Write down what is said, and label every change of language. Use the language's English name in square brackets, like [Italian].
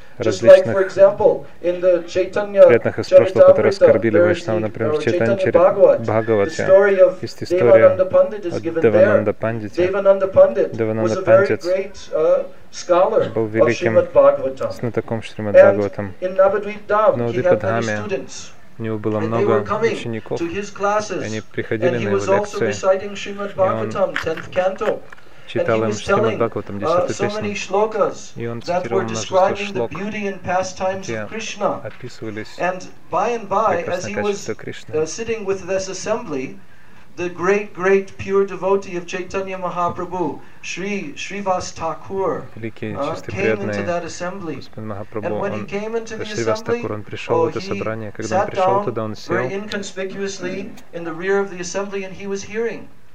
[English] Just like, for example, in the Chaitanya Charitamrita, [Russian] например, [English] or Chaitanya Bhagavata, the story of Devananda Pandit is given there. Devananda Pandit was a very great scholar of Srimad Bhagavatam. Śrīmad-Bhāgavatam. And in Navadvipa Dham, he had many students. [Russian] У него было много учеников. Они приходили на его лекции. Читал им Шримад-Бхагаватам 10-ю песню, и он цитировал множество шлок, где описывались прекрасные качества Кришны. [English] The great, great, pure devotee of Chaitanya Mahaprabhu, Shri Srivas Thakur, came into that assembly. And when he came into the assembly, oh, he sat down very inconspicuously in the rear of the assembly, and he was hearing.